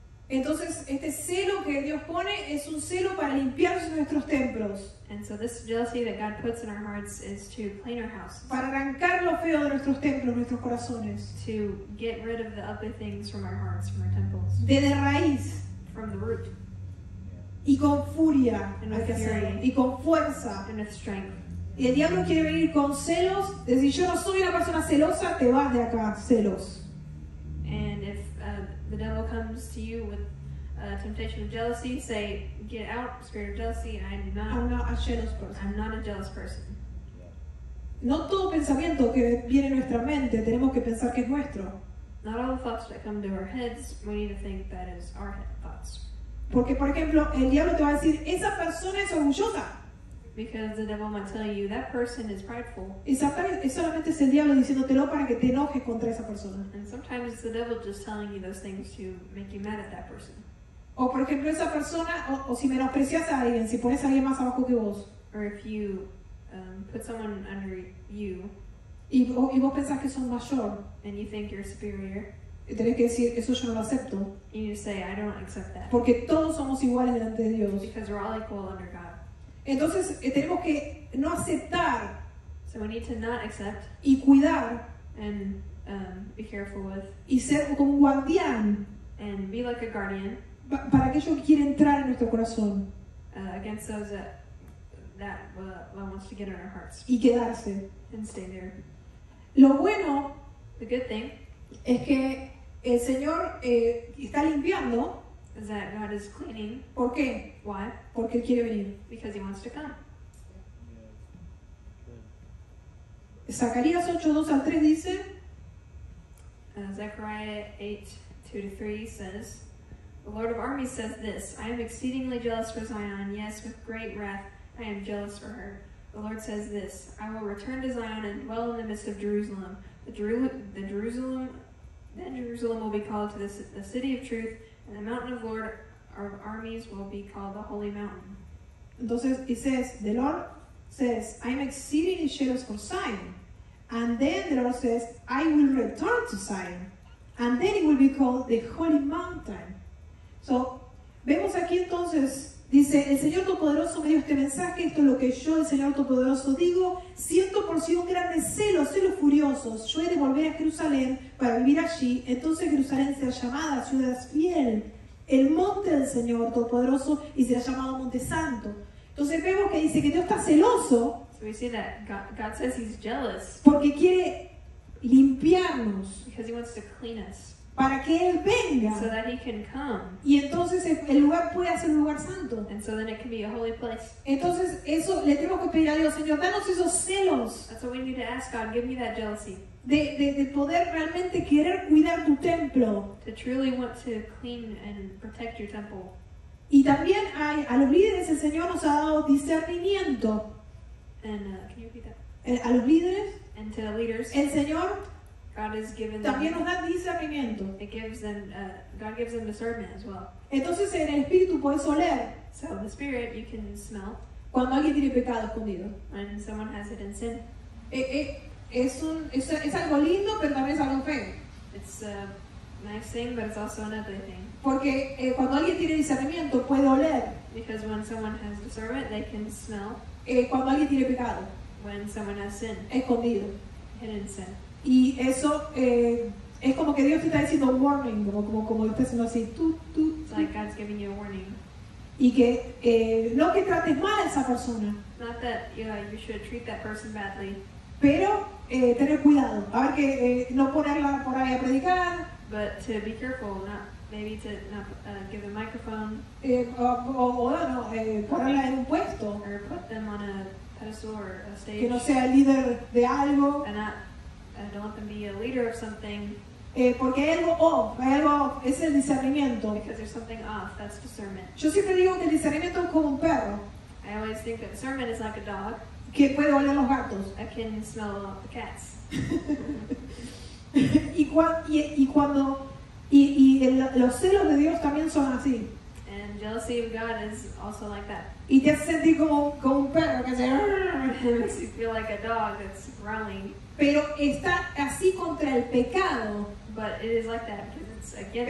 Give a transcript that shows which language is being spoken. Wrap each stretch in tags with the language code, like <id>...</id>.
<es>Entonces, este celo que Dios pone es un celo para limpiar nuestros templos.</es> <en>And so this jealousy that God puts in our hearts is to clean our houses.</en> <es>Para arrancar lo feo de nuestros templos, nuestros corazones.</es> <en>To get rid of the ugly things from our hearts, from our temples.</en> <es>De raíz.</es> <en>From the root.</en> <es>Y con furia hay que hacerlo. Y con fuerza.</es> <en>And with strength.</en> <es>Y el diablo quiere venir con celos. Decir, yo no soy una persona celosa, te vas de acá, celos.</es> <en>And if the devil comes to you with a temptation of jealousy, say, get out, spirit of jealousy, I'm not a jealous person.</en> <es>No todo pensamiento que viene a nuestra mente, tenemos que pensar que es nuestro.</es> <en>Not all the thoughts that come to our heads, we need to think that is our thoughts.</en> <es>Porque, por ejemplo, el diablo te va a decir, esa persona es orgullosa.</es> <en>Because the devil might tell you that person is prideful.</en> <es>Es solamente el diablo diciéndotelo para que te enojes contra esa persona.</es> <en>And sometimes it's the devil just telling you those things to make you mad at that person.</en> <es>O por ejemplo esa persona, o si menosprecias a alguien, si pones a alguien más abajo que vos.</es> <en>Or if you put someone under you.</en> <es>Y vos pensás que son mayor.</es> <en>And you think you're superior.</en> <es>Y tenés que decir, eso yo no lo acepto.</es> <en>And you say, I don't accept that.</en> <es>Porque todos somos iguales delante de Dios.</es> <en>Because we're all equal under God.</en> <es>Entonces tenemos que no aceptar.</es> <en>So we need to not accept.</en> <es>Y cuidar.</es> <en>And be careful with.</en> <es>Y ser como un guardián.</es> <en>And be like a guardian.</en> <es>Para aquello que quiere entrar en nuestro corazón.</es> <en>Against those that wants to get in our hearts.</en> <es>Y quedarse.</es> <en>And stay there.</en> <es>Lo bueno.</es> <en>The good thing.</en> <es>Es que el Señor está limpiando.</es> <en>Is that God is cleaning.</en> <es>¿Por qué?</es> <en>Why?</en> <es>Porque él quiere venir.</es> <en>Because he wants to come.</en> <es>Zacarías 8:2-3 dice.</es> <en>Zechariah 8:2-3 says, the Lord of armies says this, I am exceedingly jealous for Zion, yes, with great wrath I am jealous for her. The Lord says this, I will return to Zion and dwell in the midst of Jerusalem. Then Jerusalem will be called to the city of truth. And the mountain of the Lord of armies will be called the holy mountain. Entonces, it says, the Lord says, I am exceedingly jealous for Zion. And then the Lord says, I will return to Zion. And then it will be called the holy mountain.</en> <es>So, vemos aquí entonces, dice, el Señor Todopoderoso me dio este mensaje, esto es lo que yo, el Señor Todopoderoso, digo, siento por sí un grande celo, celos furiosos, yo he de volver a Jerusalén para vivir allí, entonces Jerusalén será llamada ciudad fiel, el monte del Señor Todopoderoso, y será llamado Monte Santo. Entonces vemos que dice que Dios está celoso,</es> <en>so we see that God says he's jealous,</en> <es>porque quiere limpiarnos,</es> <en>because he wants to clean us.</en> <es>Para que él venga.</es> <en>So that he can come.</en> <es>Y entonces el lugar puede ser un lugar santo.</es> <en>And so then it can be a holy place.</en> <es>Entonces eso le tenemos que pedir a Dios, Señor, danos esos celos.</es> <en>That's what we need to ask God, give me that jealousy.</en> <es>De poder realmente querer cuidar tu templo.</es> <en>To truly want to clean and protect your temple.</en> <es>Y también a los líderes el Señor nos ha dado discernimiento.</es> <en>And can you repeat that?</en> <es>A los líderes.</es> <en>And to the leaders.</en> <es>El Señor.</es> <en>God has given</en> <es>también</es> <en>them,</en> <es>nos da discernimiento.</es> <en>It gives them, God gives them discernment as well.</en> <es>Entonces en el espíritu puedes oler.</es> <en>So in the spirit you can smell.</en> <es>Cuando alguien tiene pecado escondido.</es> <en>When someone has hidden sin.</en> <es>Es algo lindo, pero también es algo feo.</es> <en>It's a nice thing, but it's also an ugly thing.</en> <es>Porque cuando alguien tiene discernimiento puede oler.</es> <en>Because when someone has discernment, they can smell.</en> <es>Cuando alguien tiene pecado.</es> <en>When someone has sin.</en> <es>Escondido.</es> <en>Hidden sin.</en> <es>Y eso es como que Dios te está diciendo warning, como está haciendo así, tú.</es> <en>It's like God's giving you a warning.</en> <es>Y que no que trates mal a esa persona.</es> <en>Not that you should treat that person badly.</en> <es>Pero tener cuidado, a ver que no ponerla por ahí a predicar.</es> <en>But to be careful, not maybe to not give a microphone.</en> <es>Ponerla en un puesto.</es> <en>Or put them on a pedestal or a stage.</en> <es>Que no sea el líder de algo.</es> <en>I don't want them to be a leader of something.</en> <es>Porque hay algo off, es el discernimiento.</es> <en>Because there's something off, that's discernment.</en> <es>Yo siempre digo que el discernimiento es como un perro.</es> <en>I always think that discernment is like a dog.</en> <es>Que puede oler los gatos.</es> <en>I can smell the cats.</en> <es>y cuando los celos de Dios también son así.</es> <en>And jealousy of God is also like that.</en> <es>Y te hace sentir como un perro que hace.</es> <en>Makes you feel like a dog that's growling.</en> <es>Pero está así contra el pecado.</es> <en>But it is like that because it's against.</en>